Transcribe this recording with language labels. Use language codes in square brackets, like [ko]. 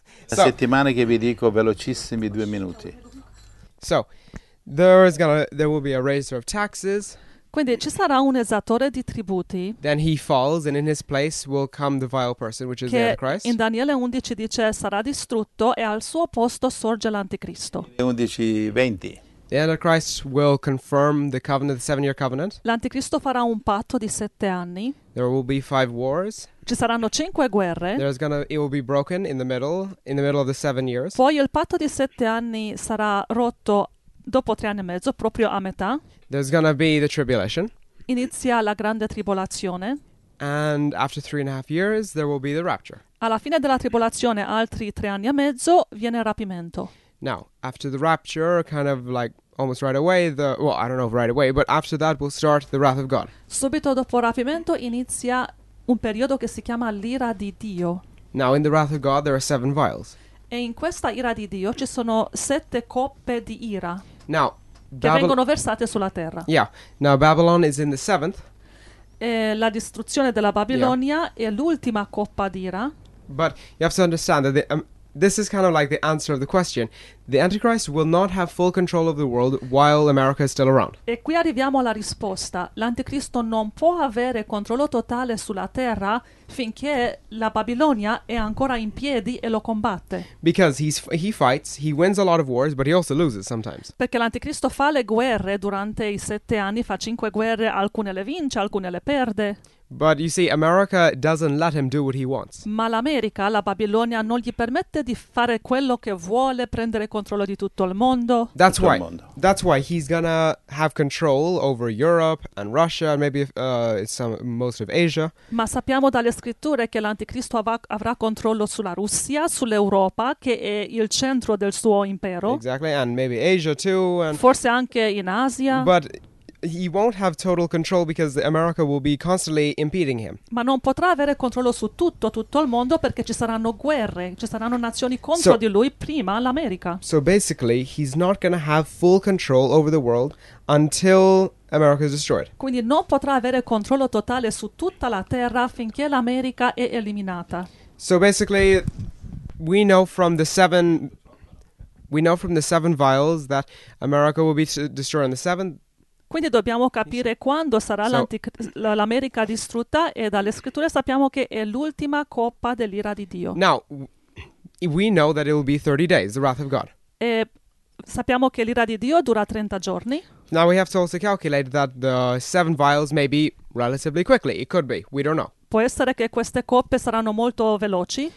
[it] La settimana che vi dico velocissimi 2 minuti. [en] So, there will be a raiser of taxes. [it] Quindi ci sarà un esattore di tributi. [en] Then he falls and in his place will come the vile person, which is the Antichrist. [it] In Daniele 11 dice sarà distrutto e al suo posto sorge l'anticristo. 11:20. [en] The Antichrist will confirm the covenant, the 7-year covenant. [it] L'anticristo farà un patto di 7 anni. [en] There will be 5 wars. [it] Ci saranno 5 guerre. [en] It will be broken in the middle of the 7 years. [it] Poi il patto di 7 anni sarà rotto dopo 3 anni e mezzo, proprio a metà. [en] There's gonna be the tribulation. [it] Inizia la grande tribolazione. [en] And after 3.5 years, there will be the rapture. [it] Alla fine della tribolazione, altri 3 anni e mezzo, viene il rapimento. [en] Now, after the rapture, kind of like almost right away, but after that we'll start the wrath of God. [it] Subito dopo il rapimento inizia un periodo che si chiama l'ira di Dio. [en] Now, in the wrath of God, there are 7 vials. [it] E in questa ira di Dio ci sono 7 coppe di ira. [en] Now, [it] che vengono versate sulla terra. [en] Yeah. Now Babylon is in the seventh. [it] La distruzione della Babilonia è l'ultima coppa d'ira. [en] But you have to understand that this is kind of like the answer of the question. The Antichrist will not have full control of the world while America is still around. [it] E qui arriviamo alla risposta. L'Anticristo non può avere controllo totale sulla terra finché la Babilonia è ancora in piedi e lo combatte. [en] Because he fights, he wins a lot of wars, but he also loses sometimes. [it] Perché l'Anticristo fa le guerre durante i sette anni, fa cinque guerre, alcune le vince, alcune le perde. [en] But you see, America doesn't let him do what he wants. [it] Ma l'America, la Babilonia, non gli permette di fare quello che vuole, prendere controllo di tutto il mondo. [en] That's why he's gonna have control over Europe and Russia, and maybe most of Asia. [it] Ma sappiamo dalle scritture che l'Anticristo avrà controllo sulla Russia, sull'Europa, che è il centro del suo impero. [en] Exactly, and maybe Asia too. And [it] forse anche in Asia. [en] But he won't have total control because America will be constantly impeding him. [it] Ma non potrà avere controllo su tutto il mondo perché ci saranno guerre, ci saranno nazioni contro di lui prima l'America. [en] So basically, he's not going to have full control over the world until America is destroyed. [it] Quindi non potrà avere controllo totale su tutta la terra finché l'America è eliminata. [en] So basically, we know from the seven vials that America will be destroyed on the seventh. [it] Quindi dobbiamo capire quando sarà l'America distrutta e dalle scritture sappiamo che è l'ultima coppa dell'ira di Dio. [en] Now, we know that it will be 30 days, the wrath of God. [it] E sappiamo che l'ira di Dio dura 30 giorni. [en] Now we have to also calculate that the seven vials may be relatively quickly. It could be, we don't know. [it] Può essere che queste coppe saranno molto veloci,